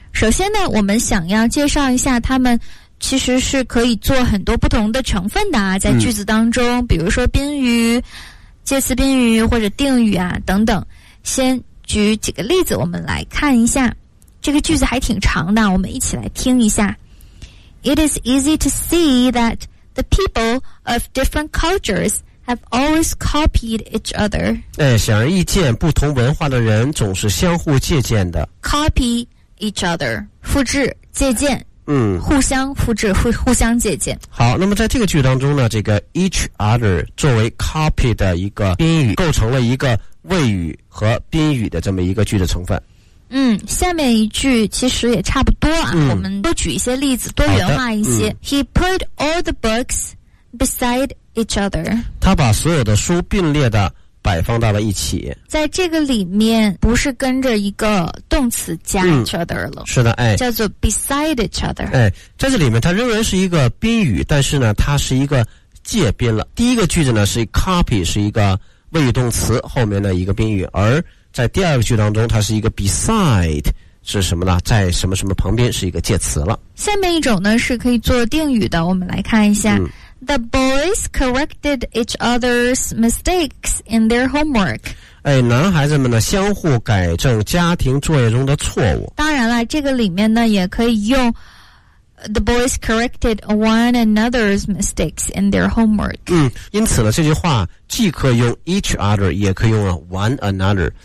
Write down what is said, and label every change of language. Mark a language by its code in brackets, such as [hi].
[zh] 首先呢，我们想要介绍一下他们。其实是可以做很多不同的成分的啊，在句子当中、比如说宾语、介词宾语或者定语啊等等。先举几个例子我们来看一下，这个句子还挺长的，我们一起来听一下。 [en] It is easy to see that the people of different culturesHave always copied each other. [zh] 显而易见，不同文化的人总是相互借鉴的。 [en] Copy each other， [zh] 复制、借鉴。嗯，互相复制、互相借鉴。好，那么在这个句当中呢，这个 each other 作为 copy 的一个宾语，构成了一个谓语和宾语的这么一个句的成分。嗯，下面一句其实也差不多啊，我们多举一些例子，多元化一些。 [en] He put all the books beside. Each other， [zh] 他把所有的书并列的摆放到了一起。在这个里面，不是跟着一个动词加 each other 了，是的，哎，叫做 beside each other。哎，在这里面，它仍然是一个宾语，但是呢，它是一个借宾了。第一个句子呢是 copy， 是一个谓语动词，后面的一个宾语；而在第二个句当中，它是一个 beside。是什么呢？在什么什么旁边是一个介词了。下面一种呢是可以做定语的，我们来看一下。 [en] The boys corrected each other's mistakes in their homework. [zh] 哎，男孩子们呢相互改正家庭作业中的错误。当然了，这个里面呢也可以用 [en] The boys corrected one another's mistakes in their homework. [zh] 嗯，因此呢这句话既可以用 each other， 也可以用 one another。